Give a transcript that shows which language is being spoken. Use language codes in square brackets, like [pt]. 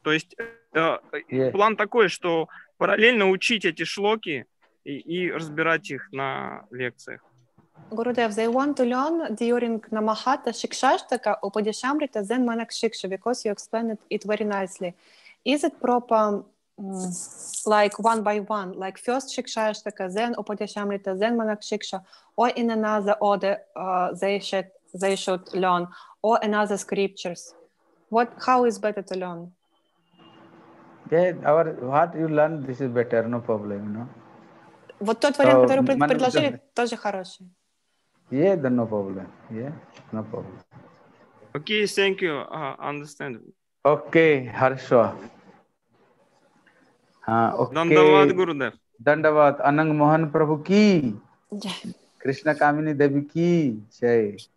[ru] То есть план такой, что параллельно учить эти шлоки и разбирать их на лекциях. [en] Gurudev, they want to learn during Namahata Shikshashtaka Upadishamrita Zen Manakshiksha, because you explained it very nicely. Is it proper, like one by one, like first Shikshashtaka, then Upadishamrita, then Manakshiksha, or in another order they should learn, or another scriptures? How is better to learn? Yeah, what you learn, this is better, no problem, no? [ru] Вот тот вариант, который предложили, тоже хороший. [en] Yeah, then no problem. Yeah, no problem. Okay, thank you. Understand. Okay, [ru] хорошо. [en] Okay. [ru] Дандават, Гурудев. Дандават, Ананг Мохан Прабху ки. Кришна Камини Деви ки. Чай.